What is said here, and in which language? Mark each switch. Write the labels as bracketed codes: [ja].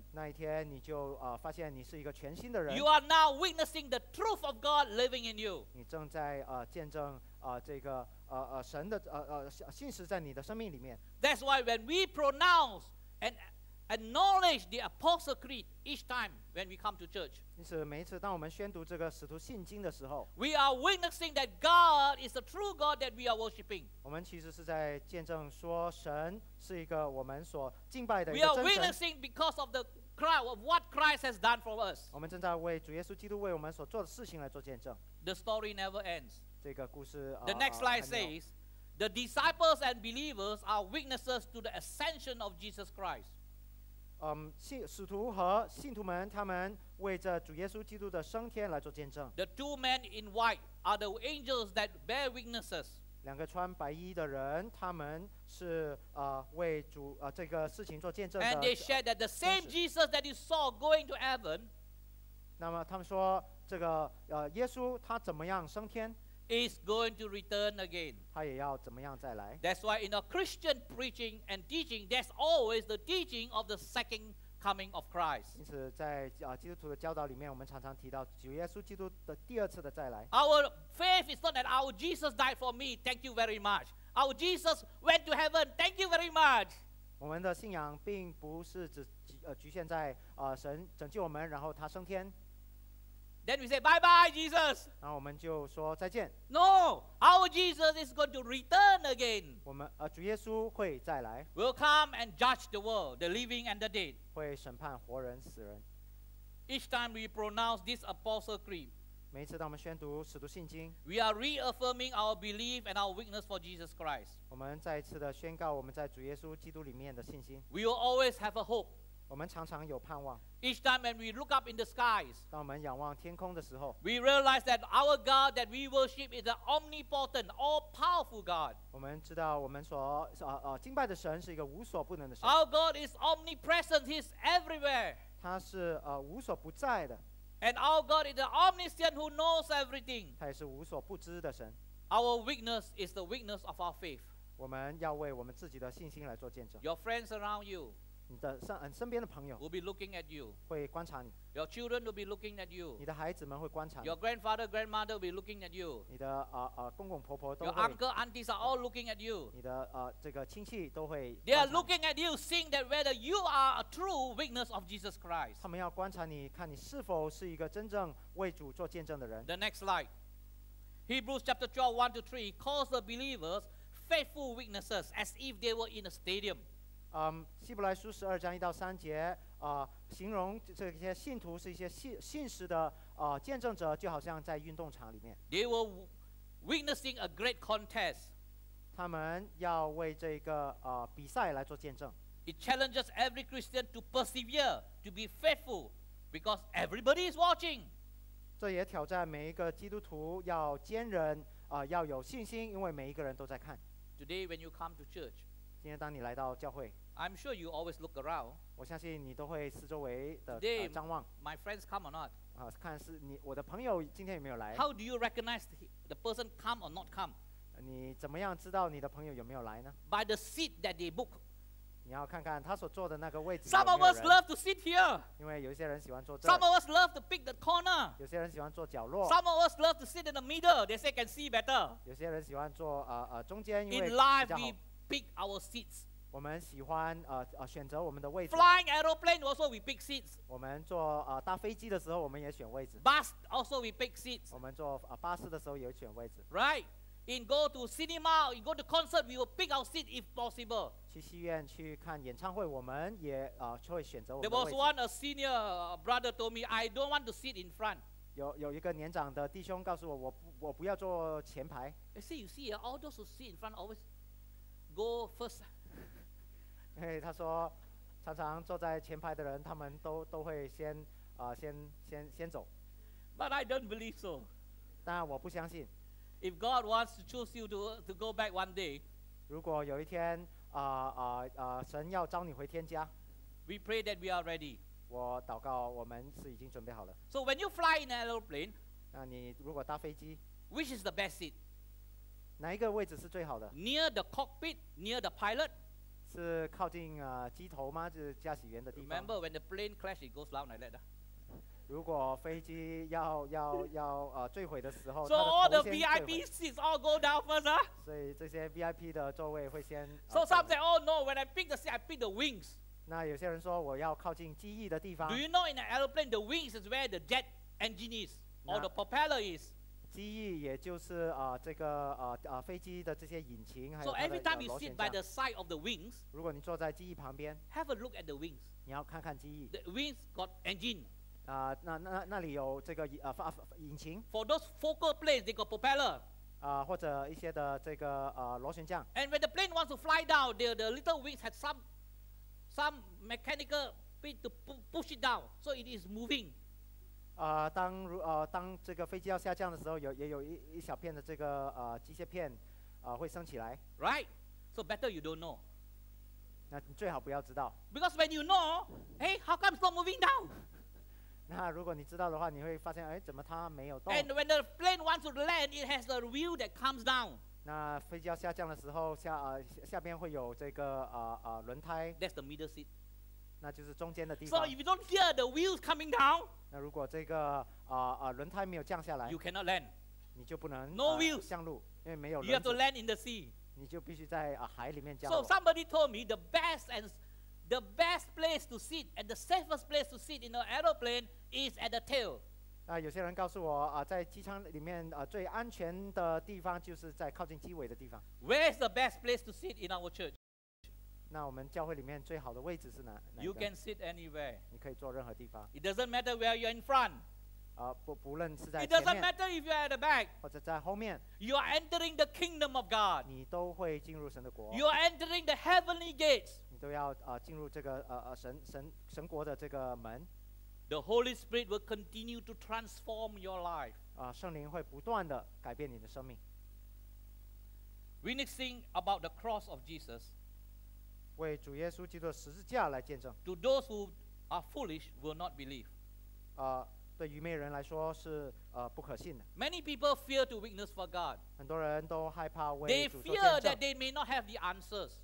[zh] 那一天，你就发现你是一个全新的人。 [en] You are now witnessing the truth of God living in you. [zh] 你正在见证这个神的信实在你的生命里面。 [en] That's why when we pronounce and acknowledge the Apostles' Creed each time when we come to church. [zh] 因此，每一次当我们宣读这个使徒信经的时候， [en] we are witnessing that God is the true God that we are worshiping. [zh] 我们其实是在见证说神是一个我们所敬拜的一个真神。 [en] We are witnessing because of the Christ of what Christ has done for us. [zh] 我们正在为主耶稣基督为我们所做的事情来做见证。 [en] The story never ends. [zh] 这个故事 [en] The next slide says, the disciples and believers are witnesses to the ascension of Jesus Christ. [zh] 使徒和信徒们，他们为着主耶稣基督的升天来做见证。 [en] The two men in white are the angels that bear witnesses. [zh] 两个穿白衣的人，他们是为主这个事情做见证的。 [en] And they shared that the same Jesus that you saw going to heaven. [zh] 那么他们说，这个耶稣他怎么样升天？ [en] Is going to return again. [zh] 他也要怎么样再来？ [en] That's why in a Christian preaching and teaching, there's always the teaching of the second coming of Christ. [zh] 因此在基督徒的教导里面，我们常常提到主耶稣基督的第二次的再来。 [en] Our faith is not that our Jesus died for me. Thank you very much. Our Jesus went to heaven. Thank you very much. [zh] 我们的信仰并不是只局限在神拯救我们，然后他升天。 [en] Then we say bye bye, Jesus. [zh] 然后我们就说再见。 [en] No, our Jesus is going to return again. [zh] 我们主耶稣会再来。 [en] Will come and judge the world, the living and the dead. [zh] 会审判活人死人。 [en] each time we pronounce this Apostle Creed, [zh] 每次当我们宣读使徒信经, [en] we are reaffirming our belief and our witness for Jesus Christ. [zh] 我们再一次的宣告我们在主耶稣基督里面的信心。 [en] We will always have a hope. [zh] 我们常常有盼望。 [en] Each time when we look up in the skies, [zh] 当我们仰望天空的时候, [en] we realize that our God that we worship is an omnipotent, all-powerful God. [zh] 我们知道我们所敬拜的神是一个无所不能的神。 [en] Our God is omnipresent. He's everywhere. [zh] 他是无所不在的。 [en] And our God is the omniscient who knows everything. [zh] 他也是无所不知的神。 [en] Our weakness is the weakness of our faith. [zh] 我们要为我们自己的信心来做见证。 [en] Your friends around you, [zh] 你的身边的朋友 [en] will be looking at you. [zh] 会观察你。 [en] Your children will be looking at you. [zh] 你的孩子们会观察你。 [en] Your grandfather, grandmother will be looking at you. [zh] 你的公公婆婆都会。 [en] Your uncle, aunties are all looking at you. [zh] 你的这个亲戚都会。 [en] They are looking at you, seeing that whether you are a true witness of Jesus Christ. [zh] 他们要观察你，看你是否是一个真正为主做见证的人。 [en] The next slide, Hebrews chapter 12, 1 to 3, calls the believers faithful witnesses as if they were in a stadium. [zh] 希伯来书十二章一到三节。形容这些信徒是一些信实的见证者，就好像在运动场里面。 [en] They were witnessing a great contest. [zh] 他们要为这个比赛来做见证。 [en] It challenges every Christian to persevere, to be faithful, because everybody is watching. [zh] 这也挑战每一个基督徒要坚韧，要有信心，因为每一个人都在看。 [en] Today, when you come to church, [zh] 今天当你来到教会。 [en] I'm sure you always look around. [zh] 我相信你都会四周围的 [en] Today, [zh] 张望。 [en] My friends come or not? [zh] 看是你我的朋友今天有没有来。 [en] How do you recognize the person come or not come? [zh] 你怎么样知道你的朋友有没有来呢？ [en] By the seat that they book. [zh] 你要看看他所坐的那个位置。 [en] Some of us love to sit here. [zh] 因为有些人喜欢坐这。 [en] Some of us love to pick the corner. [zh] 有些人喜欢坐角落。 [en] Some of us love to sit in the middle. They say can see better. [zh] 有些人喜欢坐中间，因为比较好。 [en] In life, we pick our seats. [zh] 我们喜欢选择我们的位置。 [en] Flying aeroplane also we pick seats. [zh] 我们坐搭飞机的时候，我们也选位置。 [en] Bus also we pick seats. [zh] 我们坐巴士的时候也选位置。 [en] Right, in go to cinema, you go to concert, we will pick our seat if possible. [zh] 去戏院去看演唱会，我们也会选择我们的位置。 [en] There was one a senior brother told me, I don't want to sit in front. [zh] 有一个年长的弟兄告诉我，我不要坐前排。 [en] You see, all those who sit in front always go first. [zh] 因为他说，常常坐在前排的人，他们都会先走。 [en] But I don't believe so. [zh] 但我不相信。 [en] If God wants to choose you to go back one day, [zh] 如果有一天神要召你回天家 [en] ，We pray that we are ready. [zh] 我祷告，我们是已经准备好了。 [en] So when you fly in an aeroplane, [zh] 那你如果搭飞机 [en] ，Which is the best seat? [zh] 哪一个位置是最好的 [en] ？Near the cockpit, near the pilot. [zh] 是靠近机头吗？就是驾驶员的地方。 [en] Remember when the plane crash, it goes loud like that. [zh] 如果飞机要坠毁的时候 [en] ，So all the VIP seats all go down first, huh? [zh] 所以这些 VIP 的座位会先。 [en] So some say, oh no, when I pick the seat, I pick the wings. [zh] 那有些人说我要靠近机翼的地方。 [en] Do you know in an aeroplane, the wings is where the jet engine is or the propeller is? [zh] 机翼也就是这个飞机的这些引擎，还有它的螺旋桨。 [en] So every time you sit by the side of the wings, [zh] 如果你坐在机翼旁边 [en] ，have a look at the wings. [zh] 你要看看机翼。 [en] The wings got engine. [zh] 那里有这个引擎。 [en] For those focal planes, they got propeller. [zh] 或者一些的这个螺旋桨。 [en] And when the plane wants to fly down, the little wings had some mechanical bit to push it down, so it is moving. [zh] 当这个飞机要下降的时候，也有一小片的这个机械片会升起来。 [en] Right, so better you don't know. [zh] 那你最好不要知道。 [en] Because when you know, hey, how come it's not moving down? [zh] 那如果你知道的话，你会发现，哎，怎么它没有动 [en] ？And when the plane wants to land, it has a wheel that comes down. [zh] 那飞机要下降的时候，下边会有这个轮胎。 [en] That's the middle seat. [zh] 那就是中间的地方。 [en] So if you don't hear the wheels coming down. [zh] 那如果这个轮胎没有降下来 [en] ，You cannot land， [zh] 你就不能 [en] No wheels [zh] 降落，因为没有轮子。 [en] You have to land in the sea， [zh] 你就必须在海里面降落。 [en] So somebody told me the best place to sit and the safest place to sit in an aeroplane is at the tail。 [zh] 那有些人告诉我在机舱里面最安全的地方就是在靠近机尾的地方。 [en] Where is the best place to sit in our church？ [zh] 那我们教会里面最好的位置是哪？ [en] You can sit anywhere. [zh] 你可以坐任何地方。 [en] It doesn't matter where you're in front. [zh] 不论是在前面。 [en] It doesn't matter if you're at the back. [zh] 或者在后面。 [en] You are entering the kingdom of God. [zh] 你都会进入神的国。 [en] You are entering the heavenly gates. [zh] 你都要进入这个神国的这个门。 [en] The Holy Spirit will continue to transform your life. [zh] 圣灵会不断的改变你的生命。 [en] We next thing about the cross of Jesus. [zh] 为主耶稣基督的十字架来见证。 [en] To those who are foolish will not believe. [zh] 对愚昧人来说是不可信的。 [en] Many people fear to witness for God. [zh] 很多人都害怕为主做见证。 [en] They fear that they may not have the answers.